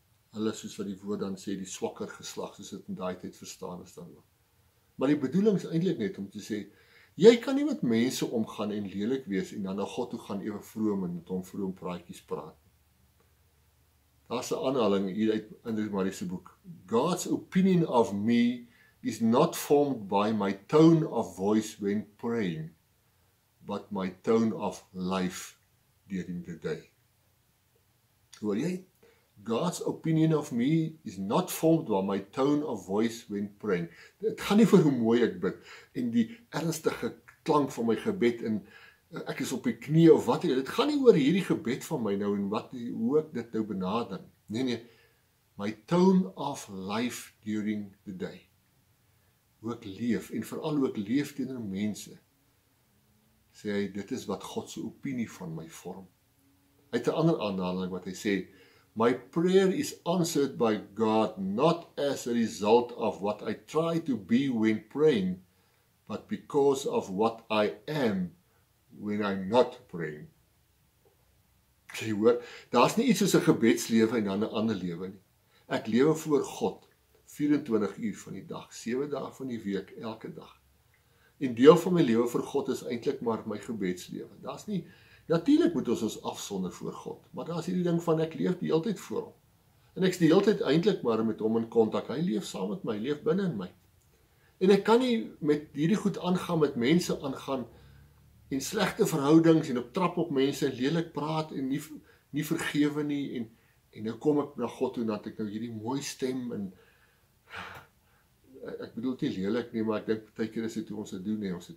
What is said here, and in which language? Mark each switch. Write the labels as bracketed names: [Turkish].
[Afrikaans] Hulle, soos wat die woord dan sê, die swakker geslag, soos dit in daai tyd verstaan is dan ook. Maar die bedoeling is eintlik net om te sê, jy kan nie met mense omgaan en lelik wees en dan na God toe gaan ewe vroom en met hom vroom praatjies praat. Daar's 'n aanhaling hier uit Andrew Murray se boek. [English] God's opinion of me is not formed by my tone of voice when praying, but my tone of life during the day. [Afrikaans] Hoor jy? [English] God's opinion of me is not formed by my tone of voice when praying. [Afrikaans] Dit gaan nie oor hoe mooi ek bid en die ernstige klank van my gebed en ek is op die knie of wat ook al. Dit gaan nie oor hierdie gebed van my nou en wat hoe ek dit nou benader. Nee nee. [English] My tone of life during the day. [Afrikaans] Hoe ek leef en veral hoe ek leef teenoor mense. Sê hy, dit is wat God se opinie van my vorm. Uit 'n ander aanhaling wat hy sê, [English] my prayer is answered by God not as a result of what I try to be when praying, but because of what I am when I'm not praying. [Afrikaans] Jy hoor, daar's nie iets soos 'n gebedslewe en dan 'n ander lewe nie. Ek lewe voor God 24 uur van die dag, 7 dae van die week, elke dag. En deel van my lewe vir God is eintlik maar my gebedslewe. Daar's nie Natuurlik moet ons afsonder voor God, maar daar's hierdie ding van ek leef die hele tyd voor hom. En ek's die hele tyd eintlik maar met hom in kontak. Hy leef saam met my, leef binne in my. En ek kan nie met hierdie goed aangaan met mense aangaan en slegte verhoudings en op trap op mense lelik praat en nie vergewe nie en nou kom ek na God toe nadat ek nou hierdie mooi stem en ek bedoel nie lelik nie, maar ek dink baie keer is dit hoe ons dit doen nie.